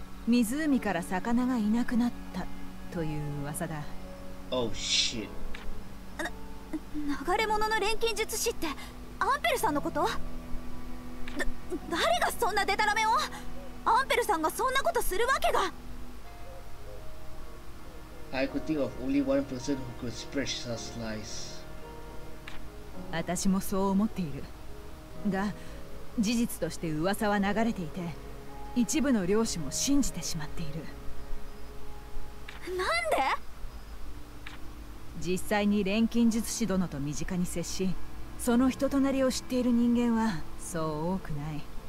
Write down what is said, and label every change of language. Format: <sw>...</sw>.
<ja>湖から魚がいなくなったという噂だ。</ja> <en>Oh shit。</en> <ja>流れ物の錬金術師ってアンペルさんのこと？誰がそんなデタラメを？アンペルさんがそんなことするわけが。</ja> <en>I could think of only one person who could spread such lies。</en> <ja>私もそう思っている。が、事実として噂は流れていて、一部の漁師も信じてしまっている。なんで？実際に錬金術師殿と身近に接し、その人となりを知っている人間はそう多くない。</ja>